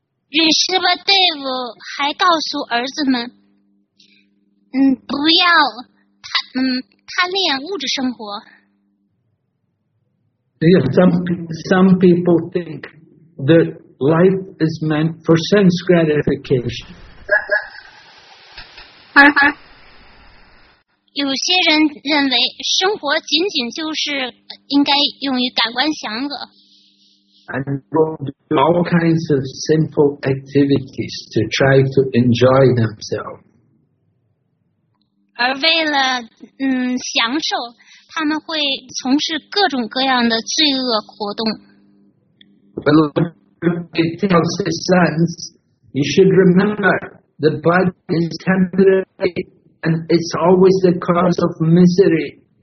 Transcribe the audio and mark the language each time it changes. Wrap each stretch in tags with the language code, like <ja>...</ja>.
<zh>Rishabhdev 还告诉儿子们，不要贪恋物质生活。</zh> <en>Yeah, some people think that life is meant for sense gratification.</en> <zh>有些人认为生活仅仅就是应该用于感官享乐。</zh> <en>And do all kinds of sinful activities to try to enjoy themselves.</en> <zh>而为了享受，他们会从事各种各样的罪恶活动。</zh> <en>Well, it tells his sons, you should remember. The body is temporary, and it's always the cause of misery.</en>